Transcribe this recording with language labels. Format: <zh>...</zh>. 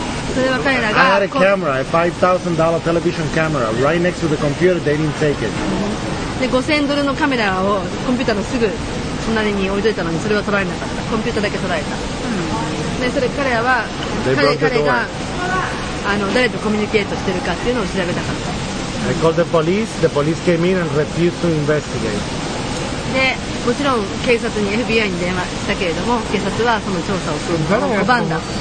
<en>I had a camera, a $5,000 television camera, right next to the computer. They didn't take it.</en> <ja>で、$5,000のカメラをコンピューターのすぐ隣に置いといたのに、それは取られなかった。コンピューターだけ取られた。で、それ彼は彼が誰とコミュニケートしてるかっていうのを調べたかった。</ja> <en>I called the police. The police came in and refused to investigate.</en> <ja>で、もちろん警察に FBI に電話したけれども、警察はその調査をするのを拒んだ。</ja>